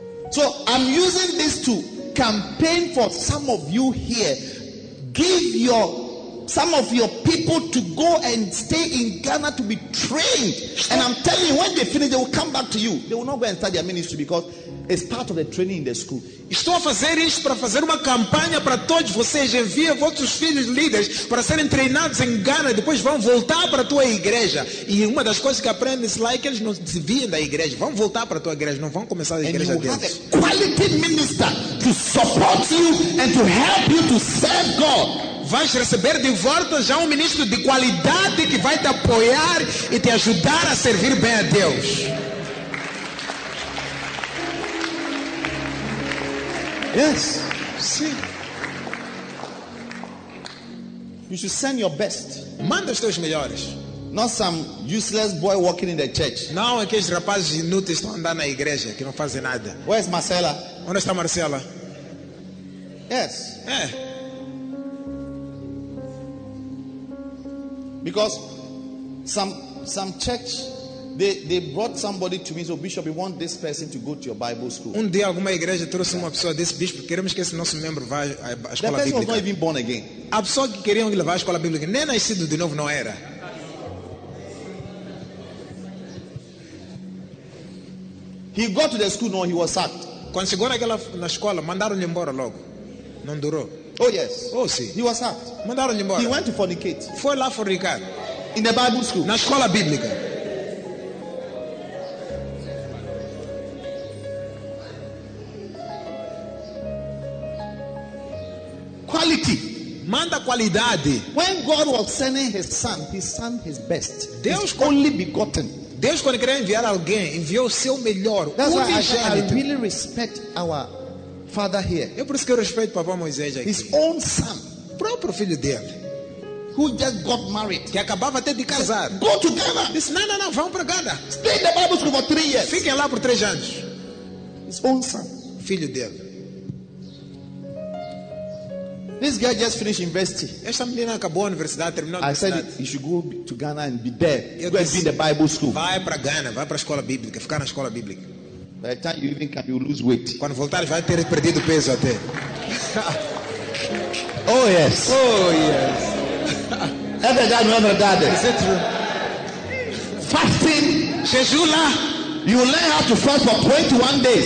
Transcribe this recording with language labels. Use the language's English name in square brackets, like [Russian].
[English] So I'm using this to campaign for some of you here. Give your some of your people to go and stay in Ghana to be trained. Stop. And I'm telling you, when they finish, they will come back to you. They will not go and start their ministry because it's part of the training in the school. [Portuguese] Estou a fazer isto para fazer uma campanha para todos vocês. Envia vossos filhos líderes para serem treinados em Ghana. Depois vão voltar para a tua igreja. E uma das coisas que aprendem lá é que eles não desviam da igreja. Vão voltar para a tua igreja. Não vão começar a igreja deles. [English] And you have a quality minister to support you and to help you to serve God. [Portuguese] Vais receber de volta já um ministro de qualidade que vai te apoiar e te ajudar a servir bem a Deus. [English] Yes. [Portuguese] Sim. [English] You should send your best. [Portuguese] Manda os teus melhores. [English] Not some useless boy walking in the church. [Portuguese] Não aqueles rapazes inúteis estão andando na igreja que não fazem nada. [English] Where's Marcela? [Portuguese] Onde está Marcela? [English] Yes. [Portuguese] É. [English] Because some church. They brought somebody to me. So Bishop, we want this person to go to your Bible school. [Portuguese] Um dia alguma igreja trouxe uma pessoa desse bispo. Queremos que esse nosso membro vá à escola bíblica. [English] The person was not even born again. [Portuguese] A pessoa que queriam levar à escola bíblica nem nascido de novo não era. [English] He got to the school, no, he was sacked. [Portuguese] Quando chegou na escola, mandaram-lhe embora logo. Não durou. [English] Oh yes. [Portuguese] Oh sim. [English] He was sacked. [Portuguese] Mandaram-lhe embora. [English] He went to fornicate. [Portuguese] Foi lá fornicar. [English] In the Bible school. [Portuguese] Na escola bíblica. [English] Quality. [Portuguese] Manda qualidade. [English] When God was sending his son, he sent his best. [Portuguese] Deus [English] his only begotten. [Portuguese] Deus quando queria enviar alguém, enviou o seu melhor. [English] That's why I really respect our father here. [Portuguese] Eu por isso que eu respeito Papa Moisés aqui. [English] His own son. [Portuguese] Próprio filho dele. [English] Who just got married. [Portuguese] Que acabava até de casar. [English] Go to Ghana. [Portuguese] Disse, não, vamos para Ghana. [English] Stay in the Bible school for 3 years. [Portuguese] Fiquem lá por 3 anos. [English] His own son. [Portuguese] Filho dele. [English] This guy just finished university. [Portuguese] Esta menina acabou a universidade, terminou. [English] I said he should go to Ghana and be there. Go and be in the Bible school. [Portuguese] Vai para Ghana, vai para a escola bíblica, ficar na escola bíblica. [English] By the time you even can, you lose weight. [Portuguese] Quando voltar, vai ter perdido peso até. [English] Oh yes. Oh yes. [Portuguese] É verdade, não é verdade? [English] Is it true? Fasting, [Portuguese] jejum lá. [English] You learn how to fast for 21 days.